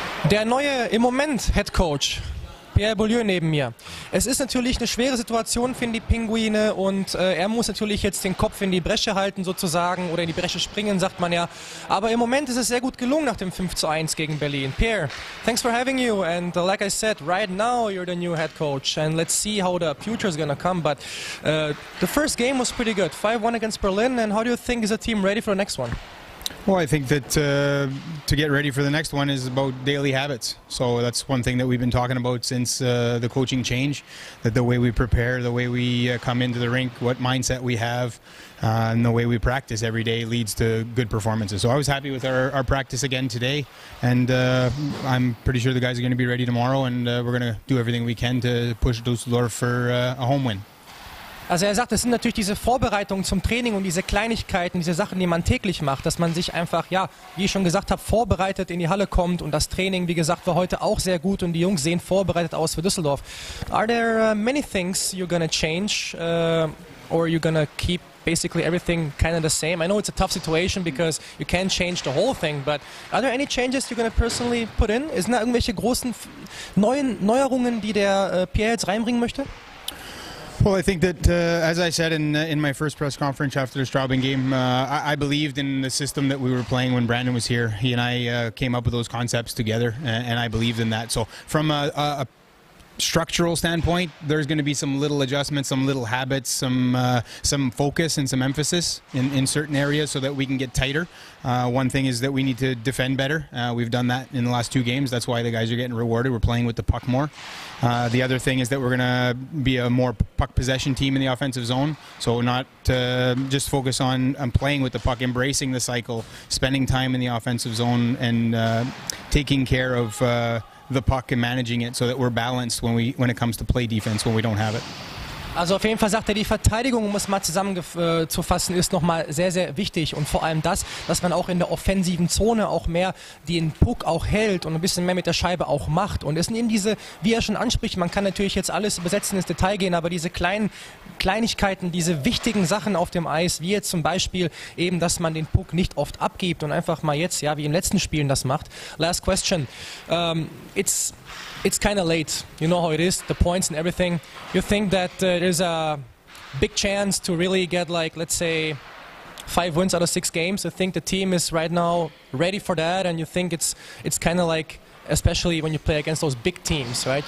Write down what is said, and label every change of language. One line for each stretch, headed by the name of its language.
German: Der neue, im Moment, Head Coach. Pierre Beaulieu neben mir. Es ist natürlich eine schwere Situation für die Pinguine, und er muss natürlich jetzt den Kopf in die Bresche halten sozusagen, oder in die Bresche springen, sagt man ja. Aber im Moment ist es sehr gut gelungen nach dem 5:1 gegen Berlin.
English: Pierre, thanks for having you, and like I said, right now you're the new head coach, and let's see how the future is gonna come, but the first game was pretty good, 5-1 against Berlin, and how do you think is the team ready for the next one? Well, I think that to get ready for the next one is about daily habits. So that's one thing that we've been talking about since the coaching change, that the way we prepare, the way we come into the rink, what mindset we have, and the way we practice every day leads to good performances. So I was happy with our practice again today, and I'm pretty sure the guys are going to be ready tomorrow, and we're going to do everything we can to push Dusseldorf for a home win.
German: Also er sagt, es sind natürlich diese Vorbereitungen zum Training und diese Kleinigkeiten, diese Sachen, die man täglich macht, dass man sich einfach, ja, wie ich schon gesagt habe, vorbereitet in die Halle kommt, und das Training, wie gesagt, war heute auch sehr gut und die Jungs sehen vorbereitet aus für Düsseldorf.
English: Are there many things you're gonna change or you're gonna keep basically everything kind of the same? I know it's a tough situation because you can't change the whole thing, but are there any changes you're gonna personally put in?
German: Ist da irgendwelche großen neuen Neuerungen, die der Pierre jetzt reinbringen möchte?
English: Well, I think that, as I said in my first press conference after the Straubing game, I believed in the system that we were playing when Brandon was here. He and I came up with those concepts together, and I believed in that. So from a structural standpoint, there's going to be some little adjustments, some little habits, some focus and some emphasis in certain areas so that we can get tighter. One thing is that we need to defend better. We've done that in the last two games. That's why the guys are getting rewarded. We're playing with the puck more. The other thing is that we're going to be a more puck possession team in the offensive zone. So not just focus on playing with the puck, embracing the cycle, spending time in the offensive zone, and taking care of the puck and managing it so that we're balanced when it comes to play defense when we don't have it.
German: Also auf jeden Fall sagt er, die Verteidigung, um es mal zusammenzufassen, ist nochmal sehr, sehr wichtig. Und vor allem das, dass man auch in der offensiven Zone auch mehr den Puck auch hält und ein bisschen mehr mit der Scheibe auch macht. Und es sind eben diese, wie er schon anspricht, man kann natürlich jetzt alles übersetzen, ins Detail gehen, aber diese kleinen Kleinigkeiten, diese wichtigen Sachen auf dem Eis, wie jetzt zum Beispiel eben, dass man den Puck nicht oft abgibt und einfach mal jetzt, ja, wie im letzten Spielen das macht.
English: Last question. It's kind of late. You know how it is, the points and everything. You think that there's a big chance to really get, like, let's say, 5 wins out of 6 games? I think the team is right now ready for that, and you think it's kind of like, especially when you play against those big teams, right?